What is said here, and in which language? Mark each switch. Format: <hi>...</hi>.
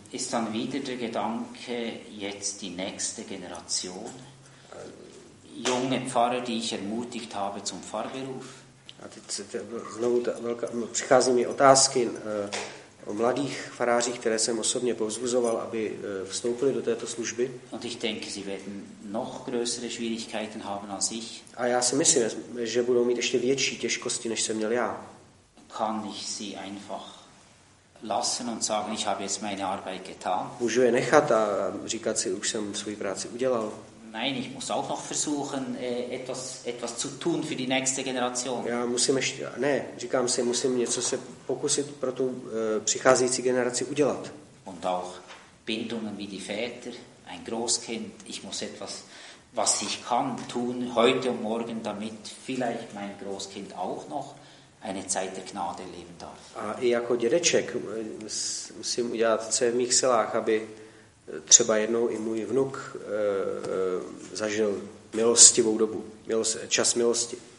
<de>Ist dann wieder der Gedanke, jetzt die nächste Generation. Junge Pfarrer, die ich ermutigt habe zum Pfarrberuf.</de> <cs>A teď znovu přichází mi otázky o mladých farářích, které jsem osobně povzbuzoval, aby vstoupili do této služby.</cs> <de>Und ich denke, sie werden noch größere Schwierigkeiten haben als ich.</de> <cs>A já si myslím, že budou mít ještě větší těžkosti, než jsem měl já.</cs> <de>Kann ich sie einfach lassen und sagen, ich habe jetzt meine Arbeit getan?</de> <cs>Můžu je nechat a říkat si, už jsem svou práci udělal.</cs> <de>Nein, ich muss auch noch versuchen, etwas zu tun für die nächste Generation.</de> <cs>Já musím ještě, ne, říkám si, musím něco se pokusit pro tu přicházející generaci udělat.</cs> <de>Und auch Bindungen wie die Väter, ein Großkind, ich muss etwas, was ich kann, tun heute und morgen, damit vielleicht mein Großkind auch noch eine Zeit der Gnade leben darf.</de> <cs>A i jako dědeček musím udělat, co je v mých silách, aby třeba jednou i můj vnuk zažil milostivou dobu, čas milosti.</cs>